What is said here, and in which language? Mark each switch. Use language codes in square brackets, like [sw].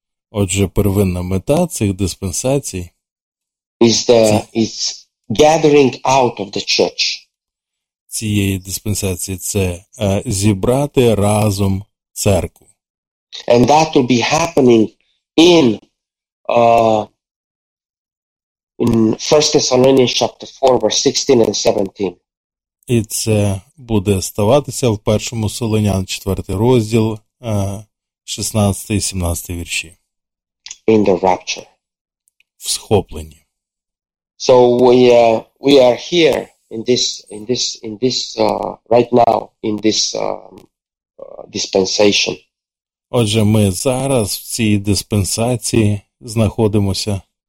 [uk] Отже, первинна мета цих диспенсацій [en] is gathering out of the church. [uk] Цієї диспенсації це зібрати разом церкву. [en] And that will be happening in 1 Thessalonians chapter 4 verse 16 and 17. [uk] І це буде ставатися в 1 Солонян 4 розділ 16-17 вірші. [en] In the rapture. [uk] в схопленні. [en] So we are here in this right now in this dispensation. [uk] Отже, ми зараз в цій диспенсації знаходимося.